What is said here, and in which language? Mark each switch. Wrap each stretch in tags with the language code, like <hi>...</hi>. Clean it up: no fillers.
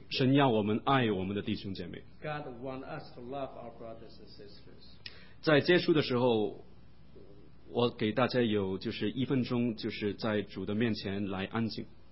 <zh>神要我们爱我们的弟兄姐妹。</zh> <en>God wants us to love our brothers and sisters.</en> <zh>在结束的时候，我给大家有就是一分钟，就是在主的面前来安静。</zh>